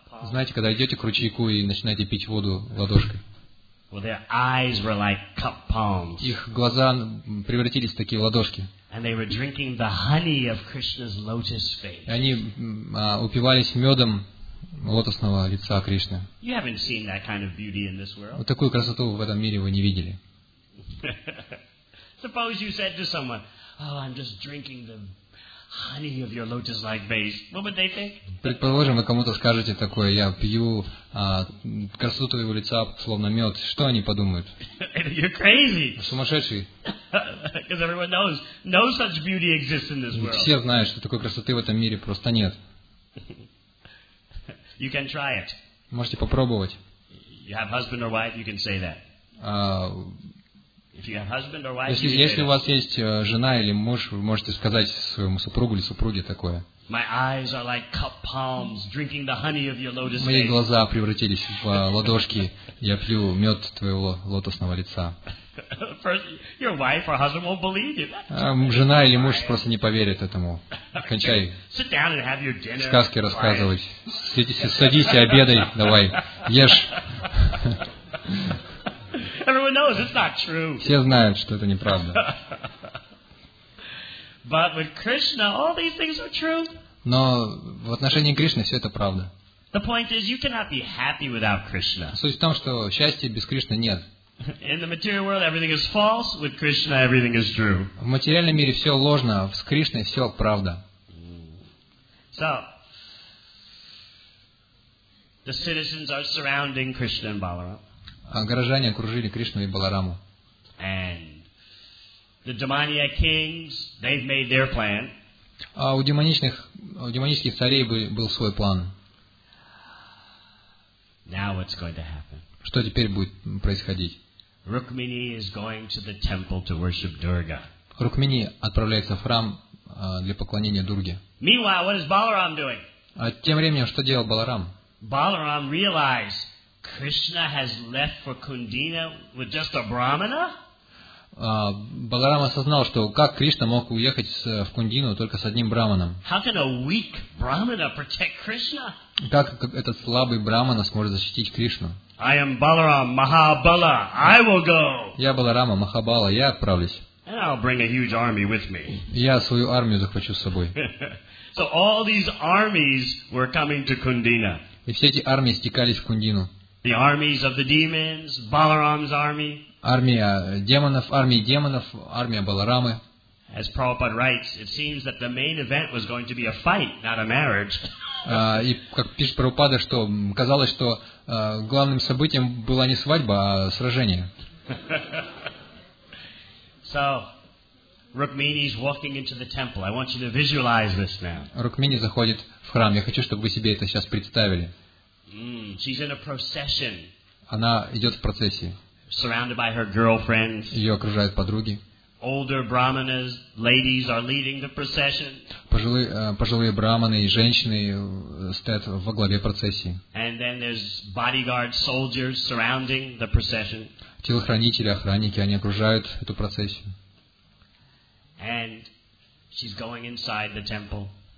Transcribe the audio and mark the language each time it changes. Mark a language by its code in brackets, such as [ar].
[ru] Знаете, когда идете к ручейку и начинаете пить воду ладошкой? [en] Well, their eyes were like cup palms. [ru] Их глаза превратились в такие ладошки. [en] And they were drinking the honey of Krishna's lotus face. [ru] И они упивались медом лотосного лица Кришны. [en] You haven't seen that kind of beauty in this world. [ru] Вот такую красоту в этом мире вы не видели. [en] Suppose you said to someone, "Oh, I'm just drinking the honey of your lotus-like face." What would they think? [ru] Предположим, вы кому-то скажете такое: "Я пью красоту твоего лица, словно мед." Что они подумают? [en] You're crazy. [ru] Сумасшедший. [en] Because everyone knows no such beauty exists in this world. [ru] Все знают, что такой красоты в этом мире просто нет. [en] You can try it. [ru] Можете попробовать. [en] You have husband or wife, you can say that. If you have husband or wife, [ru] если, [en] you can [ru] если у вас есть жена или муж, вы можете сказать своему супругу или супруге такое. [en] My eyes are like cup palms drinking the honey of your lotus face. [ru] Мои глаза превратились в ладошки, я пью мед твоего лотосного лица. [en] Your wife or husband won't believe you. [ru] Жена или муж просто не поверит этому. Кончай. [en] Sit down and have your dinner. [ru] Сказки рассказывать. Садись и обедай, давай. Ешь. [en] Everyone knows it's not true. [ru] Все знают, что это неправда. [en] But with Krishna, all these things are true. [ru] Но в отношении Кришны все это правда. [en] The point is, you cannot be happy without Krishna. [ru] Суть в том, что счастья без Кришны нет. [en] In the material world, everything is false. With Krishna, everything is true. [ru] В материальном мире все ложно, а с Кришной все правда. [en] So, the citizens are surrounding Krishna and Balaram. [ru] А горожане окружили Кришну и Балараму. [en] And the demoniac kings, they've made their plan. [ru] А у демонических царей был свой план. [en] Now what's going to happen? [ru] Что теперь будет происходить? [en] Rukmini is going to the temple to worship Durga. [ru] Rukmini отправляется в храм для поклонения Дурге. [en] Meanwhile, what is Balaram doing? [ru] А тем временем что делал Баларам? [en] Balaram realized Krishna has left for Kundina with just a brahmana? [ru] Баларам осознал, что как Кришна мог уехать в Кундину только с одним брахманом? [en] How can a weak brahmana protect Krishna? [ru] Как этот слабый брахмана сможет защитить Кришну? [en] I am Balaram Mahabala. I will go. [ru] Я Баларама Махабала, я отправлюсь. [en] And I'll bring a huge army with me. [ru] Я свою армию захвачу с собой. [en] So all these armies were coming to Kundina. [ru] И все эти армии стекались в Кундину. [en] The armies of the demons, Balaram's army. [ru] Армия демонов, армия Баларамы. [en] As Prabhupada writes, it seems that the main event was going to be a fight, not a marriage. [ru] И как пишет Прабхупада, что казалось, что главным событием была не свадьба, а сражение. [en] So, Rukmini is walking into the temple. I want you to visualize this now. [ru] Rukmini заходит в храм. Я хочу, чтобы вы себе это сейчас представили. [en] She's in a procession. [ru] Она идет в процессии. [en] Surrounded by her girlfriends. [ru] Ее окружают подруги. [en] Older brahmanas, ladies are leading the procession. [ru] Пожилые брахманы и женщины стоят во главе процессии. [en] And then there's bodyguards, soldiers surrounding the procession. [ru] Телохранители, охранники, они окружают эту процессию. [en] And she's going inside the temple.